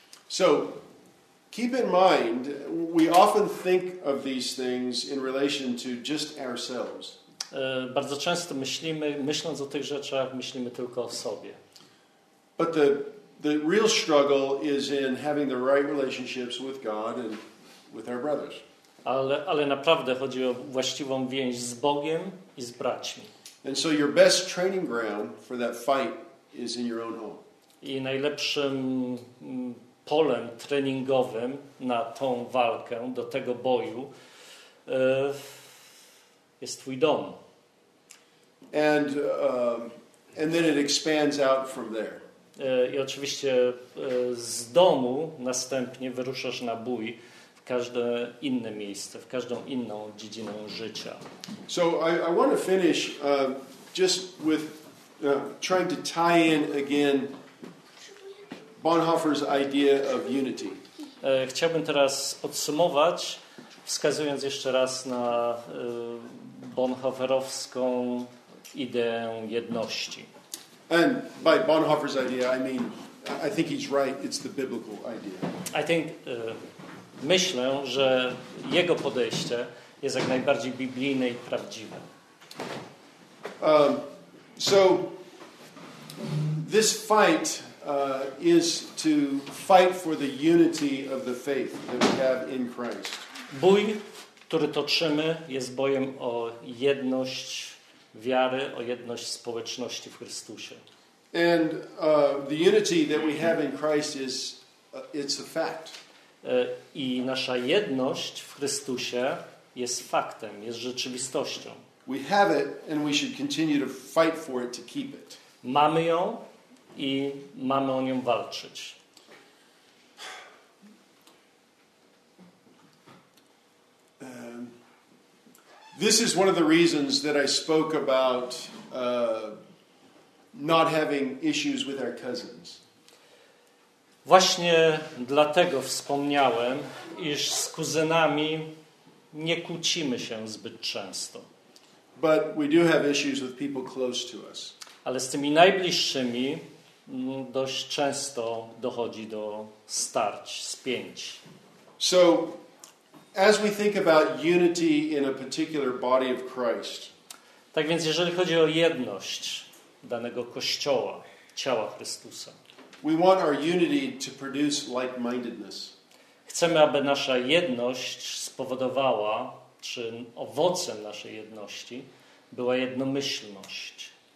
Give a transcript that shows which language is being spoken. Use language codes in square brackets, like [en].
[en] So, keep in mind, we often think of these things in relation to just ourselves. [pl] Bardzo często myśląc o tych rzeczach, myślimy tylko o sobie. [en] But the real struggle is in having the right relationships with God and with our brothers. [pl] Ale naprawdę chodzi o właściwą więź z Bogiem i z braćmi. [en] And so your best training ground for that fight is in your own home. [pl] I najlepszym polem treningowym na tą walkę, do tego boju, jest twój dom. [en] And then it expands out from there. [pl] I oczywiście z domu następnie wyruszasz na bój w każde inne miejsce, w każdą inną dziedzinę życia. [en] So I want to finish just with trying to tie in again Bonhoeffer's idea of unity. [pl] Chciałbym teraz podsumować, wskazując jeszcze raz na bonhoefferowską ideę jedności. [en] And by Bonhoeffer's idea, I mean, I think he's right, it's the biblical idea. I think, [pl] myślę, że jego podejście jest jak najbardziej biblijne i prawdziwe. [en] So, this fight is to fight for the unity of the faith that we have in Christ. [pl] Bój, który toczymy, jest bojem o jedność wiary, o jedność społeczności w Chrystusie. [en] And the unity that we have in Christ is it's a fact. [pl] I nasza jedność w Chrystusie jest faktem, jest rzeczywistością. [en] We have it and we should continue to fight for it to keep it. [pl] Mamy ją i mamy o nią walczyć. [en] This is one of the reasons that I spoke about not having issues with our cousins. [pl] Właśnie dlatego wspomniałem, iż z kuzynami nie kłócimy się zbyt często. [en] But we do have issues with people close to us. [pl] Ale z tymi najbliższymi dość często dochodzi do starć, spięć. [en] So, as we think about unity in a particular body of Christ. [pl] Tak więc, jeżeli chodzi o jedność danego kościoła, ciała Chrystusa. [en] We want our unity to produce like-mindedness. [pl] Chcemy, aby nasza jedność spowodowała, czy owocem naszej jedności była jednomyślność.